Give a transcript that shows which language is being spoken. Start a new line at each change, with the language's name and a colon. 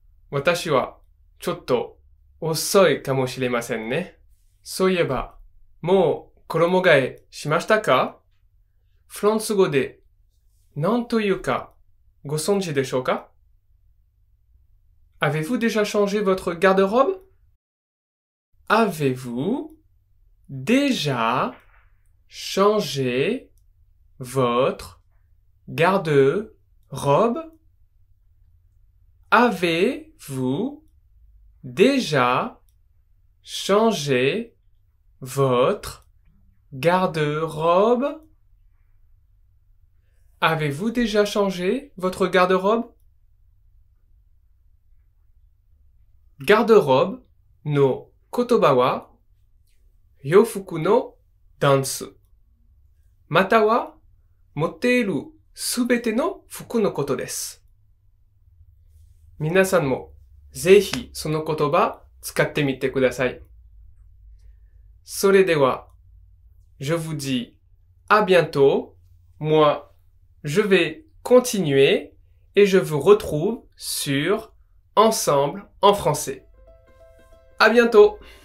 Japanese: 私はちょっと遅いかもしれませんね。そういえば、もう衣替えしましたか？フランス語で何というかご存知でしょうか？
French: Avez-vous déjà changé votre garde-robe？ Avez-vous déjà changé votre garde-robe？ Avez-vous déjà changé votre garde-robe? Avez-vous déjà changé votre garde-robe?
Japanese: Garde-robe no kotoba wa yofuku no dansu. Mata wa motte iru subete no fuku no koto desu. 皆さんもぜひその言葉使ってみてください。
French: それでは、je vous dis à bientôt. Moi, je vais continuer et je vous retrouve sur Ensemble en français. À bientôt!